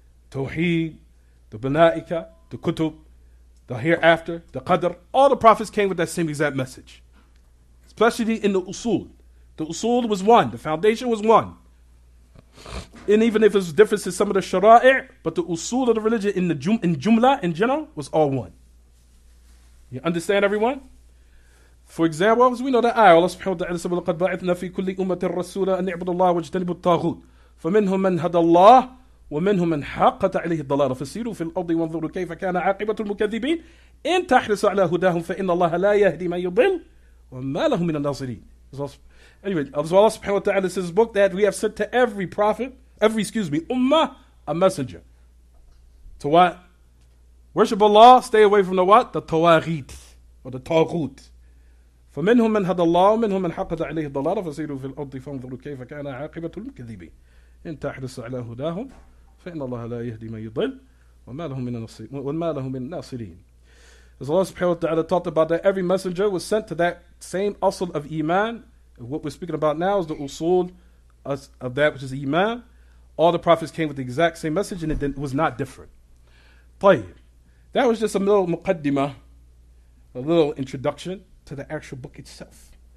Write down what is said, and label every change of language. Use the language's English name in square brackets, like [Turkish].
[English] Tawheed, the Bala'ika, the Kutub, the hereafter, the qadr, all the prophets came with that same exact message. Especially in the usul. The usul was one. The foundation was one. And even if there's differences in some of the shara'i', but the usul of the religion in general, was all one. You understand, everyone? For example, as we know the ayah, Allah subhanahu wa ta'ala said, [Arabic] وَلَقَدْ بَعِثْنَا فِي كُلِّ أُمَّةٍ رَسُولًا أَنْ اِعْبُدُ اللَّهَ وَاجْتَنِبُوا الطَّاغُوتَ فَمِنْهُمْ مَنْ هَدَى اللَّهُ وَمِنْهُمْ مَنْ حَقَّتَ عَلَيْهِ الضَّلَالَةُ فَسِيرُوا فِي الْأَرْضِ وَانْظُرُوا كَيْفَ كَانَ عَاقِبَةُ الْمُكَذِّبِينَ إِنْ تَحْرِصُوا عَلَى هُدَاهُمْ فَإِنَّ اللَّهَ لَا يَهْدِي مَنْ يُضِلُّ وَمَا لَهُمْ مِنَ النَّاصِرِينَ. [English] Anyway, Allah subhanahu wa ta'ala says book that we have sent to every prophet, ummah, a messenger. To what? Worship Allah, stay away from the what? The tawaghit or the taghut. [Arabic] فَمِنْهُمْ مَنْ هَدَى اللَّهُ وَمِنْهُمْ مَنْ حَقَّتَ عَلَيْهِ الضَّلَالَةُ فَسِيرُوا فِي الْأَرْضِ وَانْظُرُوا كَيْفَ كَانَ عَاقِبَةُ الْمُكَذِّبِينَ. إن تحرص على هداهم فإن الله لا يهدي من يضل وما لهم من ناصرين. [English] As Allah subhanahu wa ta'ala taught about that every messenger was sent to that same usul of iman. What we're speaking about now is the usul of that which is iman. All the prophets came with the exact same message and it was not different. [Arabic] طيب. [English] That was just a little muqaddimah, a little introduction to the actual book itself.